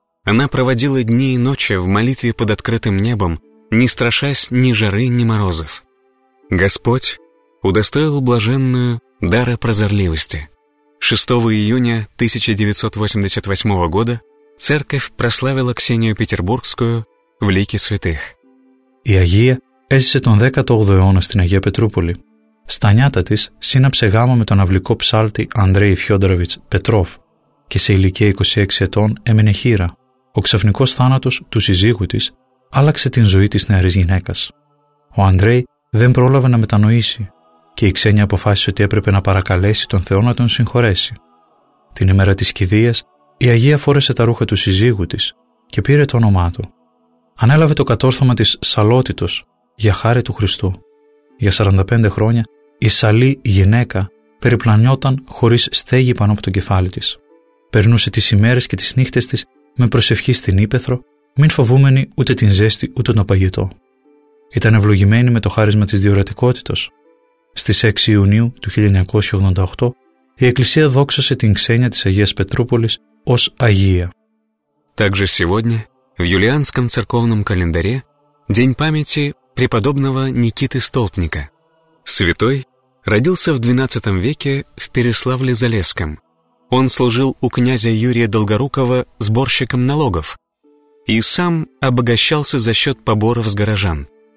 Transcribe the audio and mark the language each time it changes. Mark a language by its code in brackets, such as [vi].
[ru] Она проводила дни и ночи в молитве под открытым небом, не страшась ни жары, ни морозов. Господь удостоил блаженную дара прозорливости. 6 июня 1988 года церковь прославила Ксению Петербургскую в лике святых. [el] Η Αγία έζησε τον 18ο αιώνα στην Αγία Πετρούπολη. Στα νιάτα της σύναψε γάμο με τον αυλικό ψάλτη Ανδρέη Φιόντροβιτς Πετρόφ και σε ηλικία 26 ετών έμενε χείρα. Ο ξαφνικός θάνατος του συζύγου της άλλαξε την ζωή της νεαρής γυναίκας. Ο Ανδρέη δεν πρόλαβε να μετανοήσει και η Ξένια αποφάσισε ότι έπρεπε να παρακαλέσει τον Θεό να τον συγχωρέσει. Την ημέρα της κηδείας, η Αγία φόρεσε τα ρούχα του συζύγου της και πήρε το όνομά του. Ανέλαβε το κατόρθωμα της Σαλότητος για χάρη του Χριστού. Για 45 χρόνια, η Σαλή γυναίκα περιπλανιόταν χωρίς στέγη πάνω από το κεφάλι της. Περνούσε τις ημέρες και τις νύχτες της με προσευχή στην Ήπεθρο, μην φοβούμενη ούτε την ζέστη ούτε τον παγιτό. Ήταν ευλογημένη με το χάρισμα της διορατικότητος. Στις 6 Ιουνίου του 1988, η Εκκλησία δόξασε την Ξένια της Αγίας Πετρούπολης ως Αγία. [ru] Также сегодня, в юлианском церковном календаре, день памяти преподобного Никиты Столпника. Святой родился в 12 веке в Переславле-Залесском. Он служил у князя Юрия Долгорукова сборщиком налогов и сам обогащался за счет поборов с горожан.